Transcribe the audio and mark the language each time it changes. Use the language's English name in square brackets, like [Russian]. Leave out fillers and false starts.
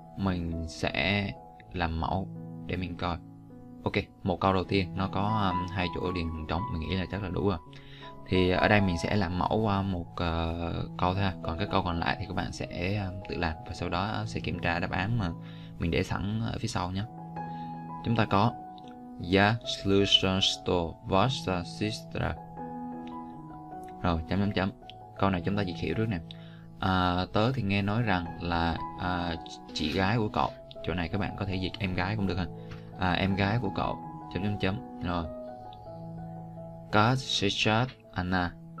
[Vietnamese] Mình sẽ làm mẫu để mình coi. Ok, một câu đầu tiên nó có hai chỗ điền trống. Mình nghĩ là chắc là đủ rồi. Thì ở đây mình sẽ làm mẫu qua một câu thôi. Còn cái câu còn lại thì các bạn sẽ tự làm. Và sau đó sẽ kiểm tra đáp án mà mình để sẵn ở phía sau nhé. Chúng ta có [Russian] Я слышал, что ваша сестра. [Vietnamese] Rồi, chấm chấm chấm. Câu này chúng ta dịch hiểu trước nè. Tớ thì nghe nói rằng là chị gái của cậu. Chỗ này các bạn có thể dịch em gái cũng được ha. Em gái của cậu. Chấm chấm chấm. Rồi. [Russian] Как сейчас она?